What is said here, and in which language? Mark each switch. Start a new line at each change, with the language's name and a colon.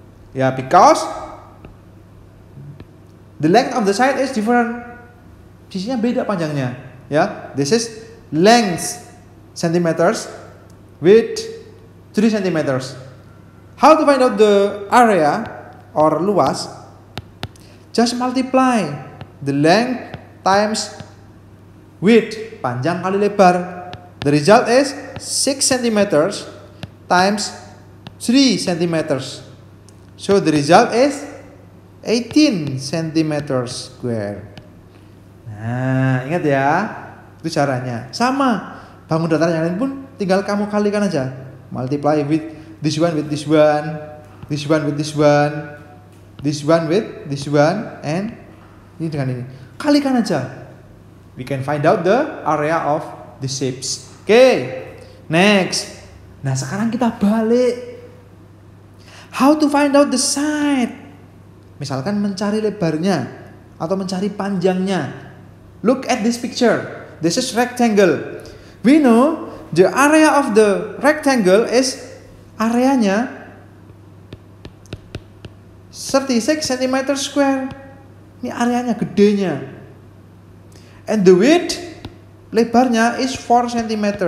English: Ya, yeah, because the length of the side is different.
Indonesian: Sisinya beda panjangnya.
English: Ya, yeah. This is length centimeters, width 3 centimeters. How to find out the area or luas? Just multiply the length times width, panjang kali lebar. The result is 6 centimeters times 3 centimeters. So the result is 18 centimeters square.
Indonesian: Nah, ingat ya, itu caranya. Sama, bangun datar yang lain pun tinggal kamu kalikan aja.
English: Multiply with this one, this one with this one, this one with this one, and ini dengan ini. Kalikan aja. We can find out the area of the shapes. Okay, next. Nah, sekarang kita balik. How to find out the side?
Indonesian: Misalkan mencari lebarnya atau mencari panjangnya.
English: Look at this picture. This is rectangle. We know the area of the rectangle is areanya 36 cm square. Ini areanya, gedenya. And the width, lebarnya is 4 cm.